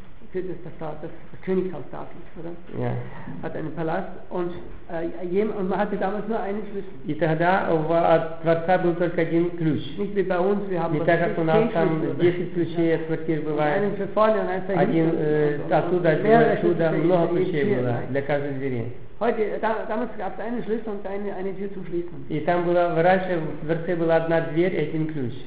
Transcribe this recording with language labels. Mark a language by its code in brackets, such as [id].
[de] Das Königshaus David, oder? Ja. Hat einen Palast und, und man hatte damals nur einen Schlüssel. [ru] И тогда в дворце был только один ключ. [de] Nicht wie bei uns, wir haben [ru] не так, как у нас там 10 ключей от квартиры бывает. [de] Einen für vorne, einen für [ru] один оттуда, один отсюда, много ключей было для каждой двери. [de] Heute, damals gab es einen Schlüssel und eine Tür zum Schließen. [ru] И там была, раньше в дворце была одна дверь и один ключ.